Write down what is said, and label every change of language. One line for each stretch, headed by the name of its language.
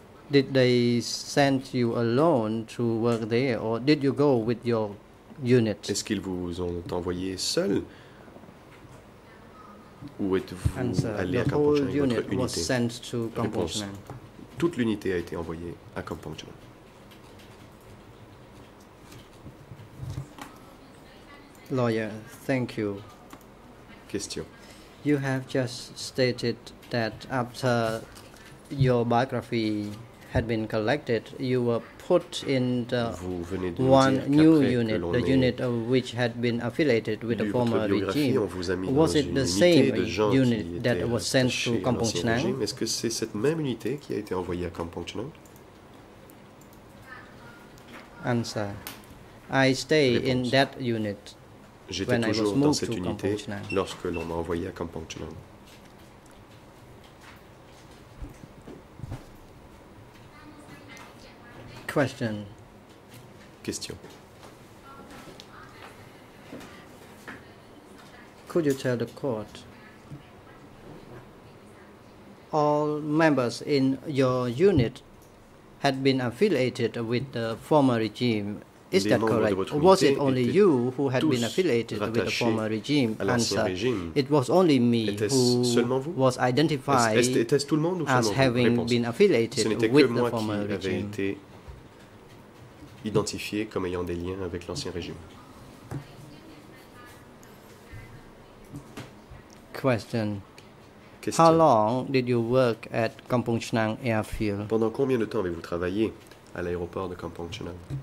English: Did they send you alone to work there, or did you go with your unit?
French: Est-ce qu'ils vous ont envoyé seul, ou êtes-vous allé à Kampong Chnang? Votre
English: unit was sent to Kampong Chnang.
French: Toute l'unité a été envoyée à Kampong Chnang.
English: Lawyer, thank you. Question. You have just stated that after your biography had been collected, you were put in the one new unit, the unit of which had been affiliated with the former regime. Was it the same unit that was sent to Kampong Chnang?
French: Est-ce que c'est cette même unité qui a été envoyée à Kampong Chnang?
English: Answer. I stay in that unit.
French: J'étais toujours dans cette unité lorsque l'on m'a envoyé à Kampong Chnang.
English: Question. Could you tell the court all members in your unit had been affiliated with the former regime? Is that correct? Was it only you who had been affiliated with the former regime? Answer. It was only me who was identified as having been affiliated with the former regime.
French: Identifié comme ayant des liens avec l'ancien régime.
English: Question. How long did you work at Kampong Chnang Airfield?
French: Pendant combien de temps avez-vous travaillé à l'aéroport de Kampong Chnang?